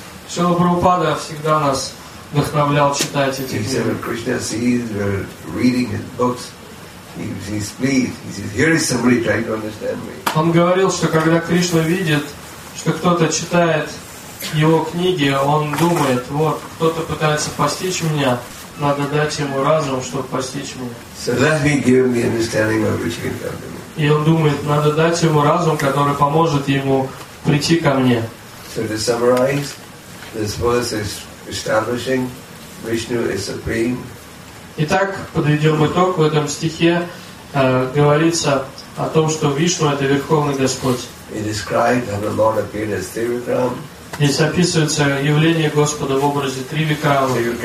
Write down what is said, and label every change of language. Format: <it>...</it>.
<ru>Шрила Прабхупада всегда нас вдохновлял читать эти книги.</ru> <en>He said, when Krishna sees we're reading his books, he's pleased. He says, here is somebody trying to understand me.</en> <ru>Он говорил, что когда Кришна видит, что кто-то читает его книге, он думает, вот, кто-то пытается постичь меня, надо дать ему разум, чтобы постичь меня.</ru> <en>So let me give me understanding of which can come to me.</en> <ru>И он думает, надо дать ему разум, который поможет ему прийти ко мне.</ru> <en>So to summarize, this verse is establishing Vishnu is supreme.</en> <ru>Итак, подведем итог. В этом стихе говорится о том, что Вишну — это Верховный Господь. Здесь описывается явление Господа в образе Тривикрамы.</ru>